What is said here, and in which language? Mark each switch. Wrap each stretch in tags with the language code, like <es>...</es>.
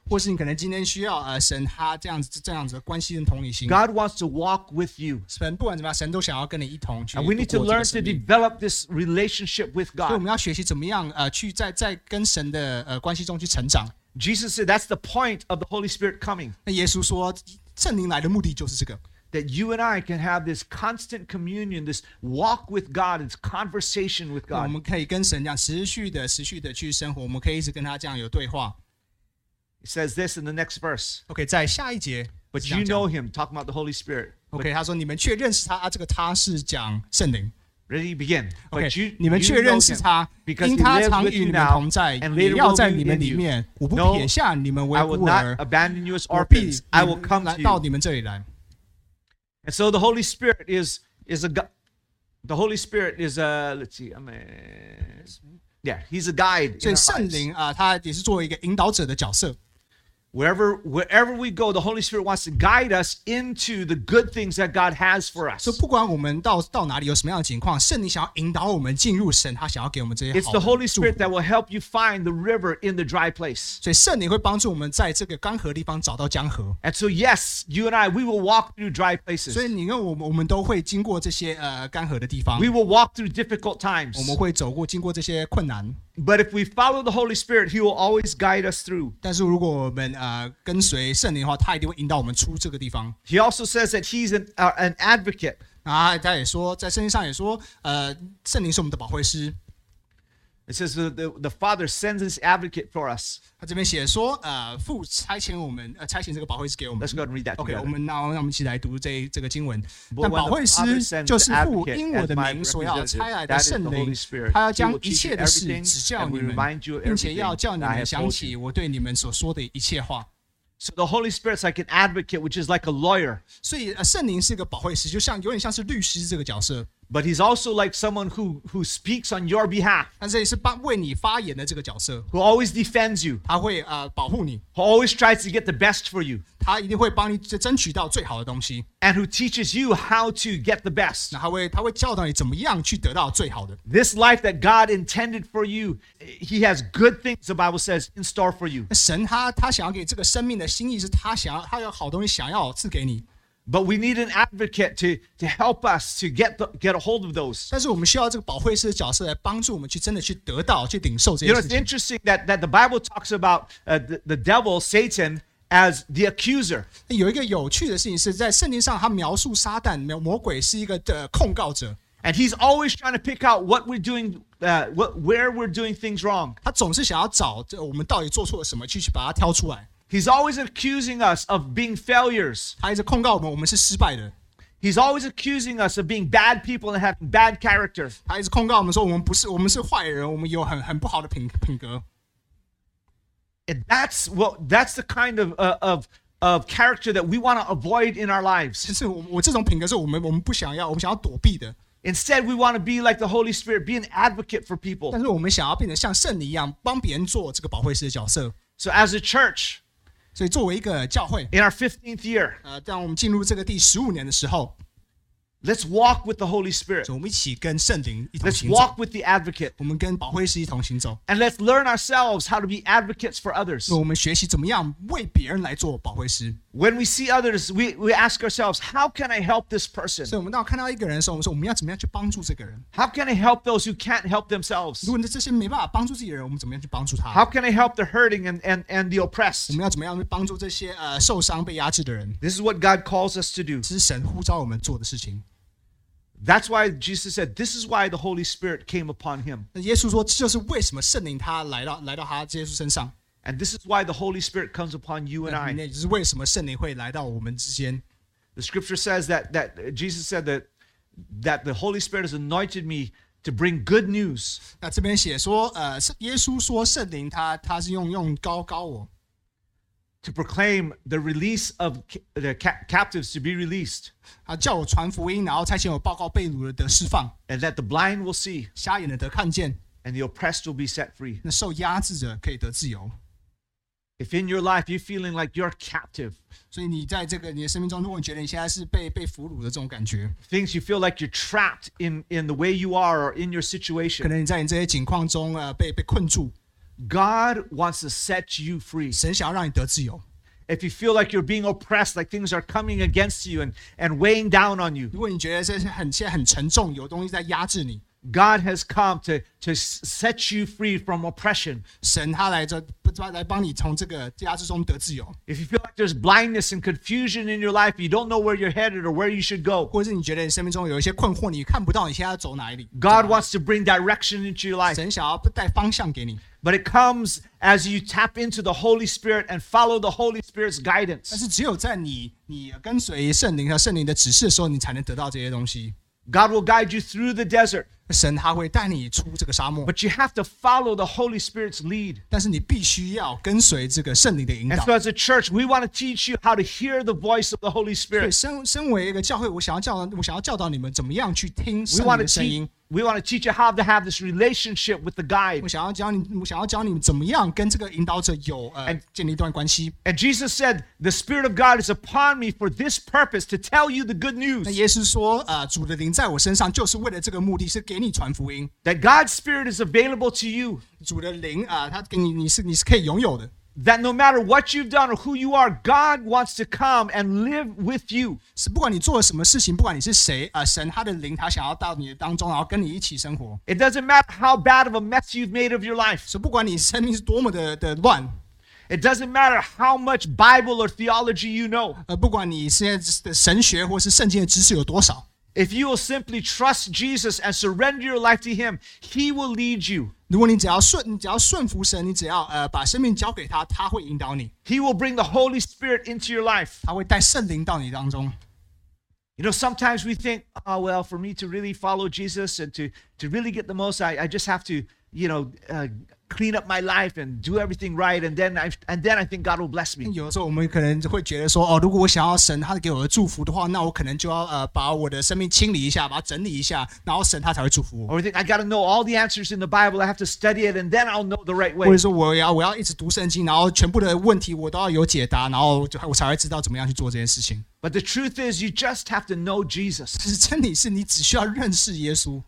<zh>或是你可能今天需要神他这样子的关心跟同理心。</zh> <en>God wants to walk with you.</en> <zh>神不管怎么样，神都想要跟你一同去。</zh> <en>And we need to learn to develop this relationship with God.</en> <zh>所以我们要学习怎么样去在跟神的关系中去成长。</zh> <en>Jesus said that's the point of the Holy Spirit coming.</en> <zh>那耶稣说圣灵来的目的就是这个。</zh> <en>That you and I can have this constant communion, this walk with God, this conversation with God.</en> <zh>我们可以跟神这样持续的去生活，我们可以一直跟他这样有对话。</zh> <en>It says this in the next verse.</en> <zh>Okay, 在下一节。</zh> <en>But you know him, talking about the Holy Spirit.</en> <zh>Okay, 他说你们却认识他啊，这个他是讲圣灵。</zh> <en>Ready to begin. Okay, but you</en> <zh>们却认识他，因他常与你们同在，也要在你们里面。我不撇下你们为孤儿。</zh> <en>I will not abandon you as orphans. I will come to you.</en> <zh>到你们这里来。</zh> <en>And so the Holy Spirit is a the Holy Spirit is a let's see I mean yeah he's a guide.</en> <zh>所以圣灵啊，他也是作为一个引导者的角色。</zh> <en>Wherever we go, the Holy Spirit wants to guide us into the good things that God has for us.</en> <zh>所以不管我们到哪里有什么样的情况，圣灵想要引导我们进入神，他想要给我们这些好的。</zh> <en>It's the Holy Spirit that will help you find the river in the dry place.</en> <zh>所以圣灵会帮助我们在这个干涸的地方找到江河。</zh> <en>And so yes, you and I, we will walk through dry places.</en> <zh>所以你跟我们都会经过这些干涸的地方。</zh> <en>We will walk through difficult times.</en> <zh>我们会经过这些困难。</zh> <en>But if we follow the Holy Spirit, He will always guide us through.</en> <zh>但是如果我们跟随圣灵的话，他一定会引导我们出这个地方。</zh> <en>He also says that He's an advocate.</en> <zh>啊，他也说，在圣经上也说，圣灵是我们的保惠师。</zh> <en>It says the Father sends this advocate for us.</en> <zh>他这边写说，父差遣我们，差遣这个保惠师给我们。</zh> <en>Let's go and read that.</en> <zh>Okay, 我们那让我们一起来读这个经文。但保惠师就是父因我的名所要差来的圣灵，他要将一切的事指教你们，并且要叫你们想起我对你们所说的一切话。</zh> <en>So the Holy Spirit's like an advocate, which is like a lawyer.</en> <zh>所以圣灵是一个保惠师，就像有点像是律师这个角色。</zh> <en>But he's also like someone who speaks on your behalf.</en> <zh>但是也是帮为你发言的这个角色。</zh> <en>Who always defends you.</en> <zh>他会保护你。</zh> <en>Who always tries to get the best for you.</en> <zh>他一定会帮你争取到最好的东西。</zh> <en>And who teaches you how to get the best.</en> <zh>那他会教导你怎么样去得到最好的。</zh> <en>This life that God intended for you, he has good things, the Bible says, in store for you.</en> <zh>神他想要给这个生命的心意是他有好东西想要赐给你。</zh> <en>But we need an advocate to help us to get a hold of those.</en> <zh>但是我们需要这个保惠师的角色来帮助我们去真的去得到去顶受这些事情。</zh> <en>You know, it's interesting that the Bible talks about the devil, Satan, as the accuser.</en> <zh>有一个有趣的事情是在圣经上他描述撒旦魔鬼是一个控告者。</zh> <en>And he's always trying to pick out what we're doing, where we're doing things wrong.</en> <zh>他总是想要找我们到底做错了什么去把它挑出来。</zh> <en>He's always accusing us of being failures.</en> <zh>他一直控告我们，我们是失败的。</zh> <en>He's always accusing us of being bad people and having bad character.</en> <zh>他一直控告我们说，我们是坏人，我们有很不好的品格。</zh> <en>And that's the kind of character that we want to avoid in our lives.</en> <zh>其实我这种品格是我们不想要，我们想要躲避的。</zh> <en>Instead, we want to be like the Holy Spirit, be an advocate for people.</en> <zh>但是我们想要变成像圣灵一样，帮别人做这个保惠师的角色。</zh> <en>So as a church.</en> <zh>所以作为一个教会</zh> <en>In our 15th year,</en> <zh>当我们进入这个第15年的时候</zh> <en>Let's walk with the Holy Spirit.</en> <zh>我们一起跟圣灵一同行走</zh> <en>Let's walk with the advocate.</en> <zh>我们跟保惠师一同行走</zh> <en>And let's learn ourselves how to be advocates for others.</en> <zh>我们学习怎么样为别人来做保惠师</zh> <en>When we see others, we ask ourselves, how can I help this person?</en> <zh>所以我们当看到一个人的时候，我们说我们要怎么样去帮助这个人</zh> <en>How can I help those who can't help themselves?</en> <zh>如果这些没办法帮助自己的人，我们怎么样去帮助他</zh> <en>How can I help the hurting and the oppressed?</en> <zh>我们要怎么样去帮助这些受伤被压制的人</zh> <en>This is what God calls us to do.</en> <zh>这是神呼召我们做的事情。</zh> <en>That's why Jesus said, this is why the Holy Spirit came upon him.</en> <zh>耶稣说，这就是为什么圣灵他来到他耶稣身上。</zh> <en>And this is why the Holy Spirit comes upon you and I.</en> <zh>那就是为什么圣灵会来到我们之间。</zh> <en>The scripture says that Jesus said that the Holy Spirit has anointed me to bring good news.</en> <zh>那这边写说，耶稣说圣灵他是用膏膏我。</zh> <en>To proclaim the release of the captives to be released.</en> <zh>他叫我传福音，然后差遣我报告被掳的释放。</zh> <en>And that the blind will see.</en> <zh>瞎眼的得看见。</zh> <en>And the oppressed will be set free.</en> <zh>那受压制者可以得自由。</zh> <en>If in your life you're feeling like you're captive.</en> <zh>所以你在这个你的生命中，如果你觉得你现在是被俘虏的这种感觉。</zh> <en>Things you feel like you're trapped in the way you are or in your situation.</en> <zh>可能你在你这些情况中被困住。</zh> <en>God wants to set you free.</en> <zh>神想要让你得自由。</zh> <en>If you feel like you're being oppressed, like things are coming against you and weighing down on you.</en> <zh>如果你觉得这是很现在很沉重，有东西在压制你。</zh> <en>God has come to set you free from oppression.</en> <zh>神他来帮你从这个压制中得自由。</zh> <en>If you feel like there's blindness and confusion in your life, you don't know where you're headed or where you should go.</en> <zh>或是你觉得你生命中有一些困惑，你看不到你现在走哪里。</zh> <en>God wants to bring direction into your life.</en> <zh>神想要带方向给你。</zh> <en>But it comes as you tap into the Holy Spirit and follow the Holy Spirit's guidance.</en> <zh>但是只有在你跟随圣灵和圣灵的指示的时候，你才能得到这些东西。</zh> <en>God will guide you through the desert.</en> <zh>神他会带你出这个沙漠。</zh> <en>But you have to follow the Holy Spirit's lead.</en> <zh>但是你必须要跟随这个圣灵的引导。</zh> <en>And so as a church, we want to teach you how to hear the voice of the Holy Spirit.</en> <zh>身为一个教会，我想要教导你们怎么样去听圣灵的声音。</zh> <en>We want to teach you how to have this relationship with the guide.</en> <zh>我想要教你们怎么样跟这个引导者有建立一段关系。</zh> <en>And Jesus said, "The Spirit of God is upon me for this purpose to tell you the good news."</en> <zh>那耶稣说，主的灵在我身上，就是为了这个目的，是给你传福音。</zh> <en>That God's Spirit is available to you.</en> <zh>主的灵他给你，你是可以拥有的。</zh> <en>That no matter what you've done or who you are, God wants to come and live with you.</en> <zh>是不管你做了什么事情，不管你是谁，神他的灵他想要到你的当中，然后跟你一起生活。</zh> <en>It doesn't matter how bad of a mess you've made of your life.</en> <zh>是不管你生命是多么的乱。</zh> <en>It doesn't matter how much Bible or theology you know.</en> <zh>不管你现在的神学或是圣经的知识有多少。</zh> <en>If you will simply trust Jesus and surrender your life to Him, He will lead you.</en> <zh>如果你只要顺，你只要顺服神，你只要把生命交给他，他会引导你。</zh> <en>He will bring the Holy Spirit into your life.</en> <zh>他会带圣灵到你当中。</zh> <en>You know, sometimes we think, oh, well, for me to really follow Jesus and to really get the most, I just have to, you know, clean up my life and do everything right, and then I think God will bless me.</en> <zh>有的时候我们可能会觉得说，哦，如果我想要神他给我的祝福的话，那我可能就要把我的生命清理一下，把它整理一下，然后神他才会祝福我。</zh> <en>Or we think I got to know all the answers in the Bible. I have to study it, and then I'll know the right way.</en> <zh>或者说我要一直读圣经，然后全部的问题我都要有解答，然后我才会知道怎么样去做这件事情。</zh> <en>But the truth is, you just have to know Jesus.</en> <zh>其实真理是你只需要认识耶稣。</zh>